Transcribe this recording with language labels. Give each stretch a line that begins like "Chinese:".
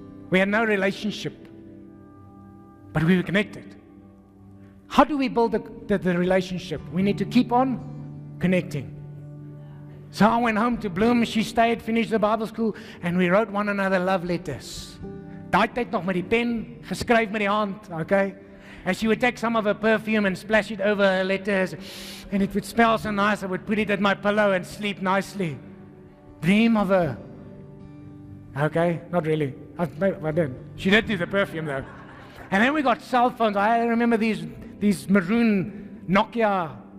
English: We had no relationship. But we were connected. How do we build the relationship? We need to keep on connecting. So I went home to Bloom. She stayed, finished the Bible school, and we wrote one another love letters.
Afrikaans: Daai tyd nog met die pen, geskryf met die hand, okay?
English: And she would take some of her perfume and splash it over her letters, and it would smell so nice. I would put it at my pillow and sleep nicely. Dream of her. Okay, not really. I didn't. She did do the perfume though. And then we got cell phones. I remember these maroon Nokia.